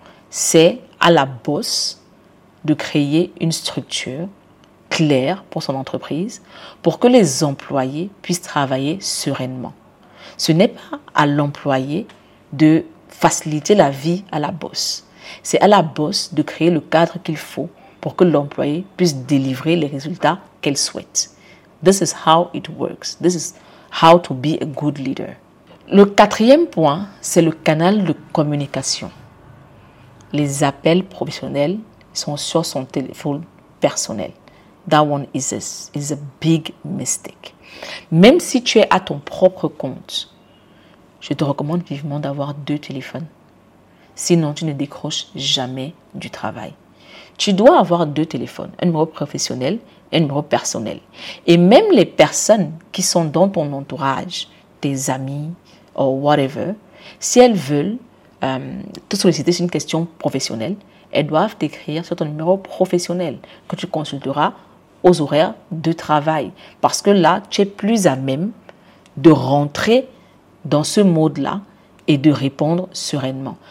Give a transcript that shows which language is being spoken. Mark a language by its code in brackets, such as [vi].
[fr] C'est à la boss de créer une structure claire pour son entreprise pour que les employés puissent travailler sereinement. Ce n'est pas à l'employé de faciliter la vie à la boss. C'est à la boss de créer le cadre qu'il faut pour que l'employé puisse délivrer les résultats qu'elle souhaite. [en] This is how it works. This is how to be a good leader. [fr] Le quatrième point, c'est le canal de communication. Les appels professionnels sont sur son téléphone personnel. [en] That one is a big mistake. [fr] Même si tu es à ton propre compte, je te recommande vivement d'avoir deux téléphones. Sinon, tu ne décroches jamais du travail. Tu dois avoir deux téléphones, un numéro professionnel et un numéro personnel. Et même les personnes qui sont dans ton entourage, tes amis ou whatever, si elles veulent te solliciter sur une question professionnelle, elles doivent t'écrire sur ton numéro professionnel que tu consulteras aux horaires de travail, parce que là, tu es plus à même de rentrer dans ce mode-là et de répondre sereinement.